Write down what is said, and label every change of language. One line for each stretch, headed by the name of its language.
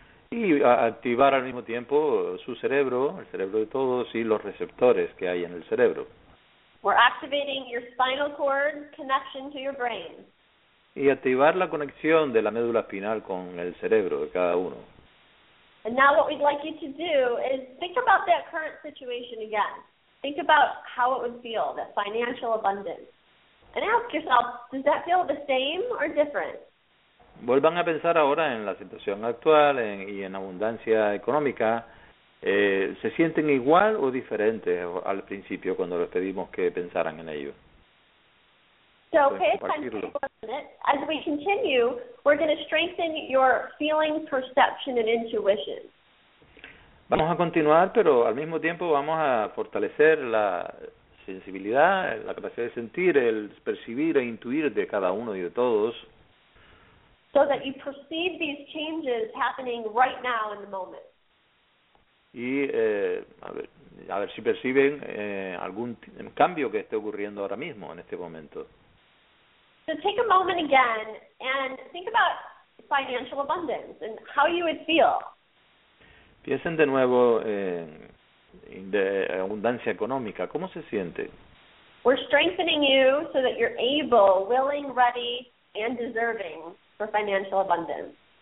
Spanish: Y activar al mismo tiempo su cerebro, el cerebro de todos y los receptores que hay en el cerebro.
English: We're activating your spinal cord connection to your brain.
Spanish: Y activar la conexión de la médula espinal con el cerebro de cada uno.
English: And now what we'd like you to do is think about that current situation again. Think about how it would feel, that financial abundance. And ask yourself, does that feel the same or different?
Spanish: Vuelvan a pensar ahora en la situación actual y en abundancia económica. ¿Se sienten igual o diferente al principio cuando les pedimos que pensaran en ello?
English: So pay attention for a minute. As we continue, we're going to strengthen your feeling, perception, and intuition.
Spanish: Vamos a continuar, pero al mismo tiempo vamos a fortalecer la sensibilidad, la capacidad de sentir, el percibir e intuir de cada uno y de todos.
English: So that you perceive these changes happening right now in the moment.
Spanish: Y a ver si perciben algún cambio que esté ocurriendo ahora mismo, en este momento.
English: So take a moment again and think about financial abundance and how you would feel.
Spanish: Piensen de nuevo en de abundancia económica. ¿Cómo se siente?
English: We're strengthening you so that you're able, willing, ready, and deserving for financial abundance.